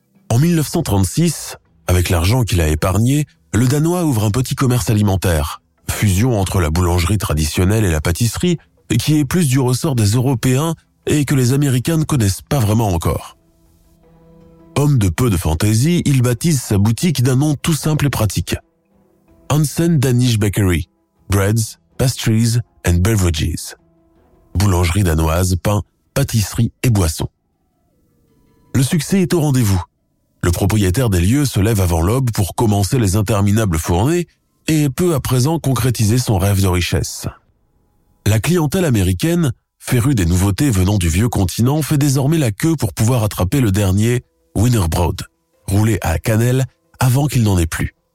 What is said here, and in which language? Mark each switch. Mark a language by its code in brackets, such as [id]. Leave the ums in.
[fr] En 1936, avec l'argent qu'il a épargné, le Danois ouvre un petit commerce alimentaire, fusion entre la boulangerie traditionnelle et la pâtisserie, qui est plus du ressort des Européens et que les Américains ne connaissent pas vraiment encore. Homme de peu de fantaisie, il baptise sa boutique d'un nom tout simple et pratique. [en] Hansen Danish Bakery, breads, pastries and beverages. [fr] Boulangerie danoise, pain, pâtisserie et boissons. Le succès est au rendez-vous. Le propriétaire des lieux se lève avant l'aube pour commencer les interminables fournées et peut à présent concrétiser son rêve de richesse. La clientèle américaine, férue des nouveautés venant du vieux continent, fait désormais la queue pour pouvoir attraper le dernier Winterbrod, roulé à cannelle avant qu'il n'en ait plus.